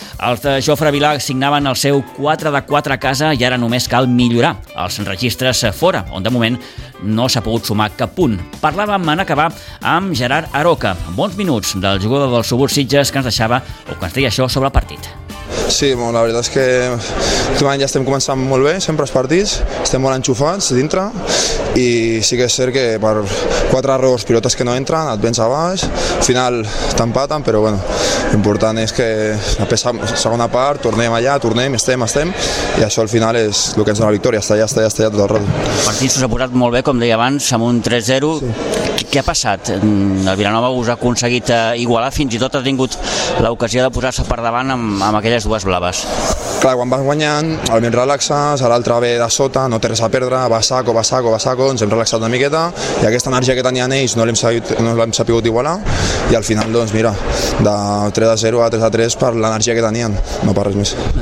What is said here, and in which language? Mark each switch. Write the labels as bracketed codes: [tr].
[ca] Els de Jofre Vilà signaven el seu 4-4 a casa i ara només cal millorar els registres fora, on de moment no s'ha pogut sumar cap punt. Parlàvem en acabar amb Gerard Aroca. Bons minuts del jugador del Subursitges que ens deixava o que ens deia això sobre el partit. Sí, bueno, la veritat és que últimament ja estem començant molt bé, sempre els partits, estem molt enxufats dintre [es] Y sí que es cierto que por cuatro robos pilotas que no entran, [ca] et vens a baix, [es] al final te empatan, pero bueno, lo importante es que la segunda parte, [ca] tornem allá, tornem, estem, [es] y eso al final es lo que [ca] ens dona [es] la victoria, hasta allá todo el rato. [ca] El partit s'ha posat molt bé, com deia abans, amb un 3-0. Sí. Què ha passat? El Vilanova us ha aconseguit igualar, fins i tot ha tingut l'ocasió de posar-se per davant amb aquelles dues blaves. Clar, quan vas guanyant, el més relaxes, l'altre ve de sota, no té res a perdre, va a saco, ens hem relaxat una miqueta, i aquesta energia que tenien ells no l'hem sabut igualar, i al final, doncs, mira, de 3-0 a 3-3 per l'energia que tenien, no per res més.